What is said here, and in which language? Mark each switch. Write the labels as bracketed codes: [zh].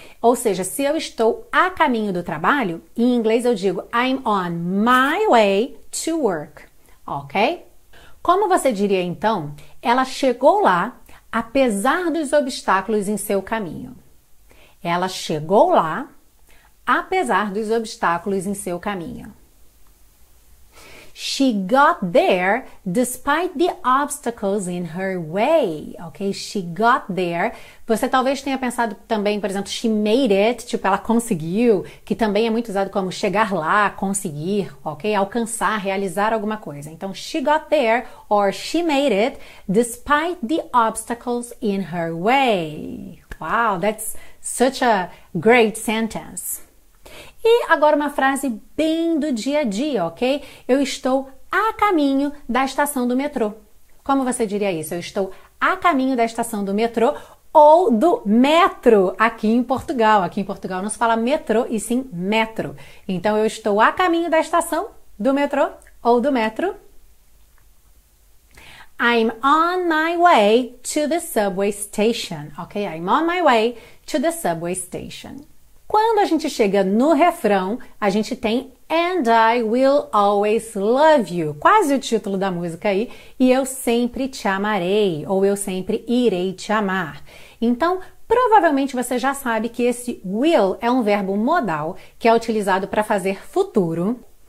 [pt] Ou seja, se eu estou a caminho do trabalho, em inglês eu digo [en] I'm on my way to work, [pt] ok? Como você diria então, ela chegou lá apesar dos obstáculos em seu caminho? Ela chegou lá apesar dos obstáculos em seu caminho. [en] She got there despite the obstacles in her way. Ok? She got there. [pt] Você talvez tenha pensado também, por exemplo, [en] she made it, [pt] tipo, ela conseguiu, que também é muito usado como chegar lá, conseguir, ok? Alcançar, realizar alguma coisa. Então, [en] she got there or she made it despite the obstacles in her way. Wow, that's such a great sentence. [pt] E agora uma frase bem do dia a dia, ok? Eu estou a caminho da estação do metrô. Como você diria isso? Eu estou a caminho da estação do metrô ou do metro aqui em Portugal. Aqui em Portugal não se fala metrô e sim metro. Então eu estou a caminho da estação do metrô ou do metro. [en] I'm on my way to the subway station, ok? I'm on my way to the subway station. [pt] Quando a gente chega no refrão, a gente tem And I Will Always Love You, quase o título da música aí, e eu sempre te amarei, ou eu sempre irei te amar. Então, provavelmente você já sabe que esse will é um verbo modal que é utilizado para fazer futuro.